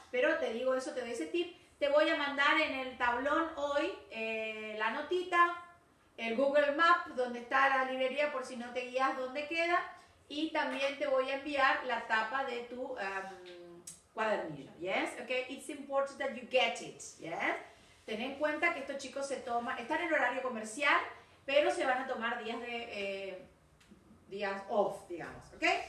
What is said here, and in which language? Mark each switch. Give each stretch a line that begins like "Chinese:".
Spanish: Pero te digo eso, te doy ese tip. Te voy a mandar en el tablón hoy la notita, el Google Map, donde está la librería, por si no te guías dónde queda. Y también te voy a enviar la tapa de tu cuadernillo, ¿yes?
English: Ok, it's important that you get it, ¿yes?
Spanish: Ten en cuenta que estos chicos se toman, están en horario comercial, pero se van a tomar días de días off, digamos, ¿ok?